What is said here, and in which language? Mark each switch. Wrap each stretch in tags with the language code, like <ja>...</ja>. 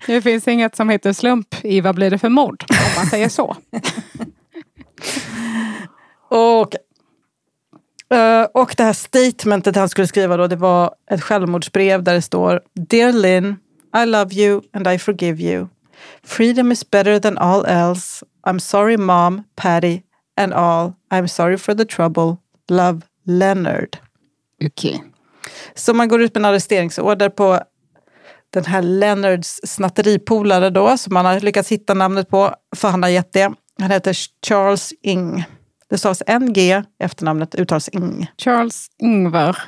<sv>Det finns inget som heter slump i vad blir det för mord, om man säger så. Okej. Och det här statementet han skulle skriva då, det var ett självmordsbrev där det står:</sv> <en>Dear Lynn, I love you and I forgive you. Freedom is better than all else. I'm sorry mom, Patty and all. I'm sorry for the trouble. Love, Leonard.</en> <sv>Okej.</sv> <en>Okay.</en> <sv>Så man går ut med en arresteringsorder på den här Leonards snatteripolare då, som man har lyckats hitta namnet på, för han har gett det. Han heter Charles Ing. Det stavs NG, efternamnet uttals Ing. Charles Ingvar.</sv>